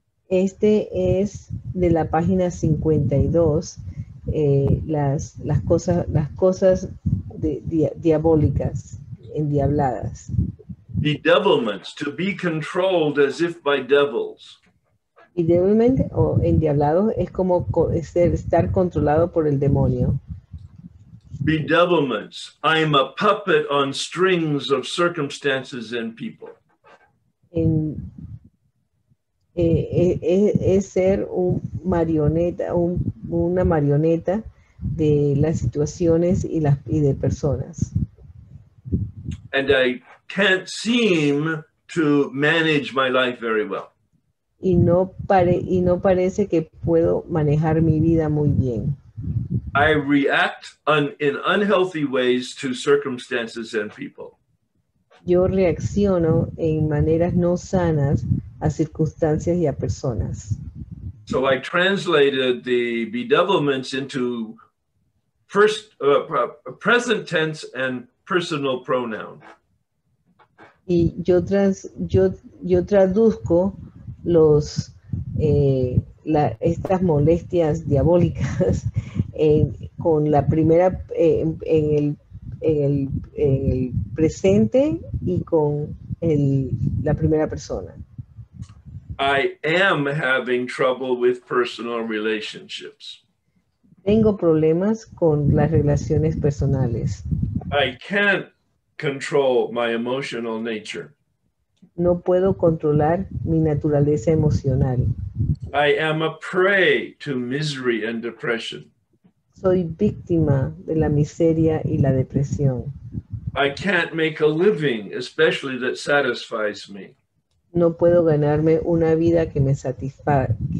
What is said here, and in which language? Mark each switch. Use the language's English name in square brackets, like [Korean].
[Spanish] Este es de la página 52, las cosas diabólicas, endiabladas. [English] Bedevilments, to be controlled as if by devils. [Spanish] Bedevilment o endiablado es como estar controlado por el demonio. [English] Bedevilments, I'm a puppet on strings of circumstances and people. [Spanish] Es ser un marioneta, una marioneta de las situaciones y de personas. [English] And I can't seem to manage my life very well. [Spanish] Y no parece que puedo manejar mi vida muy bien. [English] I react in unhealthy ways to circumstances and people. [Spanish] Yo reacciono en maneras no sanas a circunstancias y a personas. [English] So I translated the bedevilments into present tense and personal pronoun. [Spanish] Y yo traduzco los estas molestias diabólicas en el presente y con la primera persona. [English] I am having trouble with personal relationships. [Spanish] Tengo problemas con las relaciones personales. [English] I can't control my emotional nature. [Spanish] No puedo controlar mi naturaleza emocional. [English] I am a prey to misery and depression. [Spanish] Soy víctima de la miseria y la depresión. [English] I can't make a living, especially that satisfies me. [Spanish] No puedo ganarme una vida que me satisfaga.